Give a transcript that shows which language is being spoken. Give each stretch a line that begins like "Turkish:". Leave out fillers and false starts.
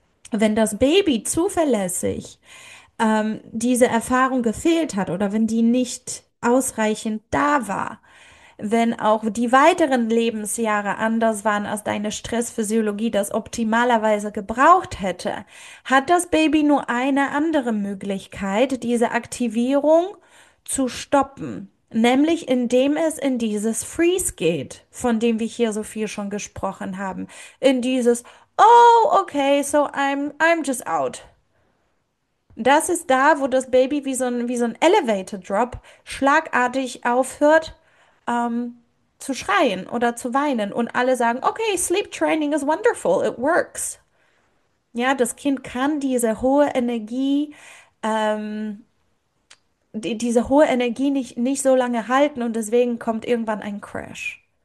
German: Wenn das Baby zuverlässig diese Erfahrung gefehlt hat oder wenn die nicht ausreichend da war, wenn auch die weiteren Lebensjahre anders waren, als deine Stressphysiologie das optimalerweise gebraucht hätte, hat das Baby nur eine andere Möglichkeit, diese Aktivierung zu stoppen. Nämlich indem es in dieses Freeze geht, von dem wir hier so viel schon gesprochen haben. In dieses,
English: oh, okay, so I'm just out.
German: Das ist da, wo das Baby wie so ein Elevator Drop schlagartig aufhört, zu schreien oder zu weinen. Und alle sagen,
English: okay, Sleep Training is wonderful, it works.
German: Ja, das Kind kann diese hohe Energie, diese hohe Energie nicht so lange halten und deswegen kommt irgendwann ein Crash.